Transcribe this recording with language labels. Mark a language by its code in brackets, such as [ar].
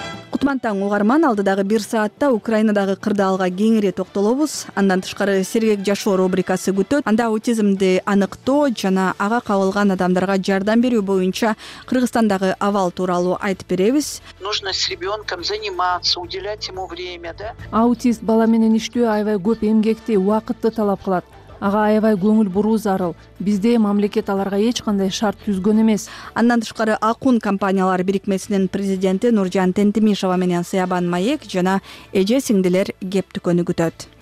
[ky] Кутмантан угарман, алдыдагы бир саатта Украинадагы кырдаалга кеңири токтолобуз. Андан тышкары сергек жашоо рубрикасы күтөт. Анда аутизмди аныктоо жана ага кабылган адамдарга жардам берүү боюнча Кыргызстандагы абал тууралуу айтып беребиз. [ru] Нужно с ребенком заниматься, уделять ему время, да? [ky] Аутист бала менен иштөө аябай көп эмгекти, убакытты талап кылат. Ага аябай көңүл буруу зарыл. Бизде мамлекет аларга эч кандай шарт түзгөн эмес. Андан тышкары Акун компаниялар бирикмесинин президенти Нуржан Тентимишова менен Саябан Маек жана эже сиңдилер кеп түкөнү күтөт.